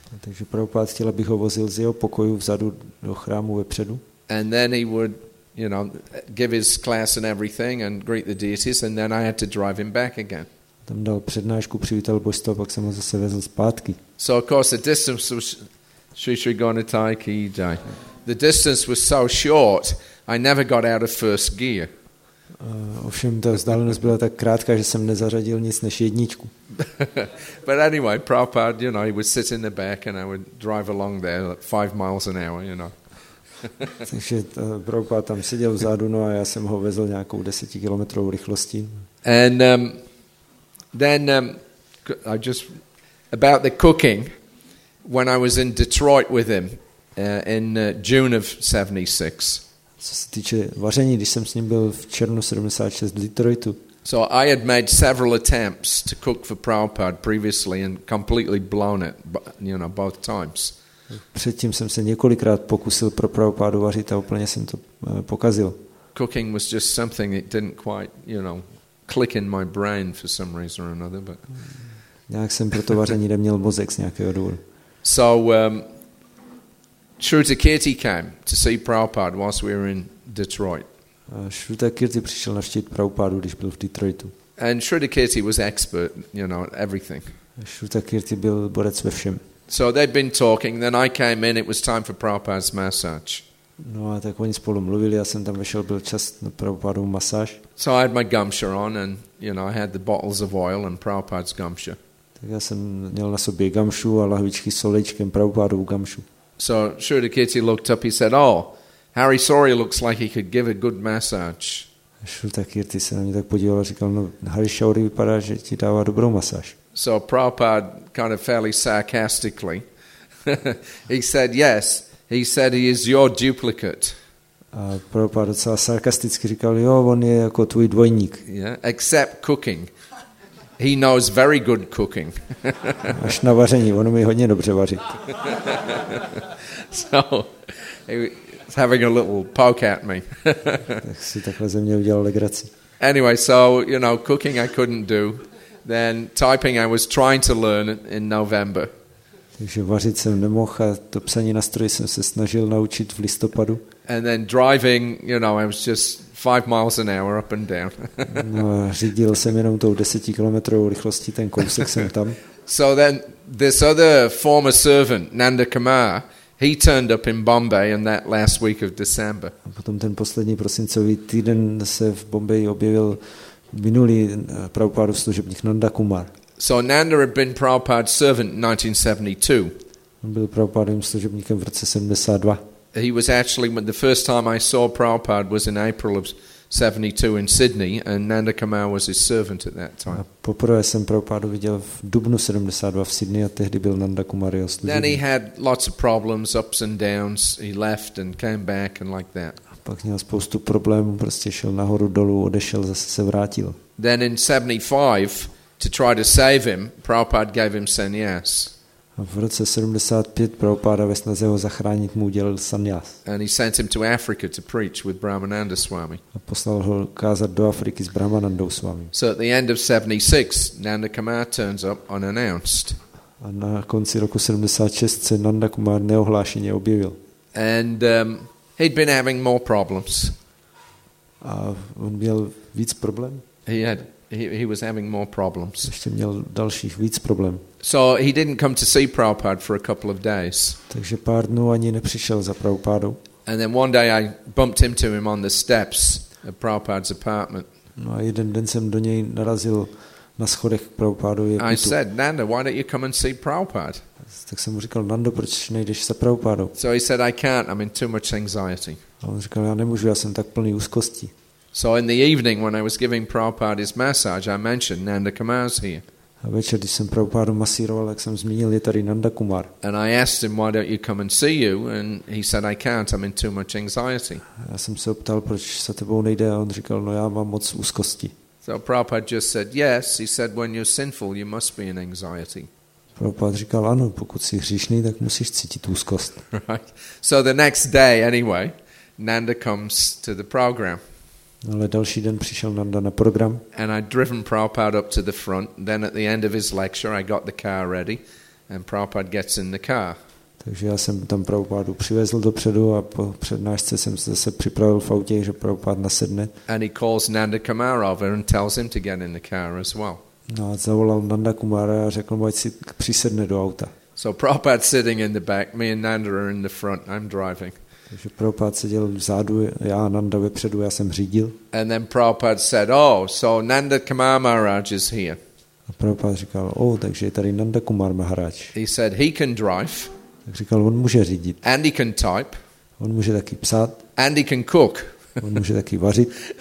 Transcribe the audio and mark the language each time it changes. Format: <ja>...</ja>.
<cs>Takže Prabhupada chtěl, abych ho vozil z jeho pokoju vzadu do chrámu vepředu.</cs> <en>And then he would, you know, give his class and everything and greet the deities, and then I had to drive him back again.</en> <cs>Tam dal přednášku, přivítal božstvo, pak jsem ho zase vezl zpátky.</cs> <en>So of course the distance was Sri Sri Gaunatai Ki Jai. The distance was so short, I never got out of first gear.</en> <cs>Ovšem ta vzdálenost byla tak krátká, že jsem nezařadil nic než jedničku.</cs> <en>But anyway, Prabhupada, you know, he would sit in the back and I would drive along there at 5 miles an hour, you know.</en> <cs>Takže Prabhupada tam seděl vzadu, no a já jsem ho vezl nějakou 10 kilometrovou rychlostí.</cs> <en>And then I just about the cooking when I was in Detroit with him in June of 76.</en> <cs>Co se týče vaření, když jsem s ním byl v červnu 76 v Detroitu.</cs> <en>So I had made several attempts to cook for Prabhupada previously and completely blown it, you know, both times.</en> <cs>Předtím jsem se několikrát pokusil pro Prabhupádu vařit a úplně jsem to pokazil.</cs> <en>Cooking was just something that didn't quite, you know, click in my brain for some reason or another, but</en> <cs>nějak jsem pro to vaření neměl mozek z nějakého důvodu.</cs> <en>So Shruta Kirti came to see Prabhupada whilst we were in Detroit.</en> <cs>Shruta Kirti přišel navštívit Prabhupádu, když byl v Detroitu.</cs> <en>And Shruta Kirti was expert, you know, everything.</en> <cs>Shruta Kirti byl borec ve všem.</cs> <en>So they'd been talking, then I came in, it was time for Prabhupada's massage.</en> <cs>No a tak oni spolu mluvili, já jsem tam vešel, byl čas na Prabhupádu masáž.</cs> <en>So I had my gumsha on and, you know, I had the bottles of oil and Prabhupada's gumsha.</en> <cs>Tak já jsem měl na sobě gumšu a lahvičky s olejčkem Prabhupádu gumšu.</cs> <en>So Shruta Kirti looked up, he said, oh, Harry Sori looks like he could give a good massage.</en> <cs>Shruta Kirti se na mě tak podíval a říkal, no, Harry Sori vypadá, že ti dává dobrou masáž.</cs> <en>So Prabhupada, kind of fairly sarcastically, he said, yes, he said he is your duplicate.</en> <cs>A Prabhupada docela sarkasticky říkal, jo, on je jako tvůj dvojník.</cs> <en>Yeah, except cooking. He knows very good cooking.</en> <cs>Až na vaření, on umí hodně dobře vařit.</cs> <en>So he's having a little poke at me.</en> <cs>Tak si takhle ze mě udělal legraci.</cs> <en>Anyway, so you know, cooking I couldn't do. Then typing I was trying to learn in November.</en> <cs>Takže vařit jsem nemohl a to psaní na stroji jsem se snažil naučit v listopadu.</cs> <en>And then driving, you know, I was just 5 miles an hour up and down.</en> <cs>No, řídil jsem jenom tou 10 kilometrovou rychlostí ten kousek jsem tam.</cs> <en>So then this other former servant Nanda Kumar, he turned up in Bombay in that last week of December.</en> <cs>A potom ten poslední prosincový týden se v Bombaji objevil minulý Prabhupádu služebník Nanda Kumar.</cs> <en>So Nanda had been Prabhupád servant in 1972.</en> <cs>On byl Prabhupádovým služebníkem v roce 72.</cs> <en>He was actually when the first time I saw Prabhupada was in April of 72 in Sydney, and Nanda Kumar was his servant at that time.</en> <cs>Poprvé jsem Prabhupádu viděl v dubnu 72 v Sydney a tehdy byl Nanda Kumar jeho služebník.</cs> <en>Then he had lots of problems, ups and downs. He left and came back and like that.</en> <cs>Pak měl spoustu problémů, prostě šel nahoru dolů, odešel, zase se vrátil.</cs> <en>Then in 75 to try to save him, Prabhupada gave him sannyas.</en> <cs>A v roce 75 Prabhupada ve snaze ho zachránit mu udělil sannyas.</cs> <en>And he sent him to Africa to preach with Brahmananda Swami.</en> <cs>A poslal ho kázat do Afriky s Brahmanandou Swami.</cs> <en>So at the end of 76, Nanda Kumar turns up unannounced.</en> <cs>A na konci roku 76 se Nanda Kumar neohlášeně objevil.</cs> <en>And he'd been having more problems.</en> <cs>A on měl víc problém?</cs> <en>He was having more problems.</en> <cs>Ještě měl dalších víc problém.</cs> <en>So he didn't come to see Prabhupada for a couple of days.</en> <cs>Takže pár dnů ani nepřišel za Prabhupádu.</cs> <en>And then one day I bumped into him on the steps of Prabhupada's apartment.</en> <cs>No a jeden den jsem do něj narazil na schodech Prabhupádově bytu.</cs> <en>I said, Nanda, why don't you come and see Prabhupada?</en> <cs>Tak jsem mu říkal, Nando, proč nejdeš za Prabhupádou?</cs> <en>So he said, I can't, I'm in too much anxiety.</en> <cs>A on říkal, já nemůžu, já jsem tak plný úzkosti.</cs> <en>So in the evening when I was giving Prabhupada his massage, I mentioned Nanda Kumar's here.</en> <cs>A večer, když jsem Prabhupádu masíroval, jak jsem zmínil, je tady Nanda Kumar.</cs> <en>And I asked him, why don't you come and see you? And he said, I can't, I'm in too much anxiety.</en> <cs>A já jsem se optal, proč se tebou nejde, a on říkal, no já mám moc úzkosti.</cs> <en>So Prabhupada just said, yes, he said, when you're sinful, you must be in anxiety.</en> <cs>Prabhupada říkal, ano, pokud jsi hříšný, tak musíš cítit úzkost.</cs> <en>Right. So the next day, anyway, Nanda comes to the program.</en> <cs>Ale další den přišel Nanda na program.</cs> <en>And I'd driven Prabhupada up to the front. Then at the end of his lecture, I got the car ready, and Prabhupada gets in the car.</en> <cs>Takže já jsem tam Prabhupádu přivezl dopředu a po přednášce jsem se zase připravil v autě, že Prabhupád nasedne.</cs> <en>And he calls Nanda Kumar over and tells him to get in the car as well.</en> <cs>No a zavolal Nanda Kumara a řekl mu, ať si přisedne do auta.</cs> <en>So Prabhupada sitting in the back, me and Nanda are in the front, I'm driving.</en> <cs>Takže Prabhupada seděl vzadu, já a Nanda vepředu, já jsem řídil.</cs> <en>And then Prabhupada said, oh, so Nanda Kumar Maharaj is here.</en> <cs>A Prabhupada říkal, oh, takže je tady Nanda Kumar Maharaj.</cs> <en>He said, he can drive.</en> <cs>Tak říkal, on může řídit.</cs> <en>And he can type.</en> <cs>On může taky psát.</cs> <en>And he can cook.</en> <cs>On může taky vařit.</cs>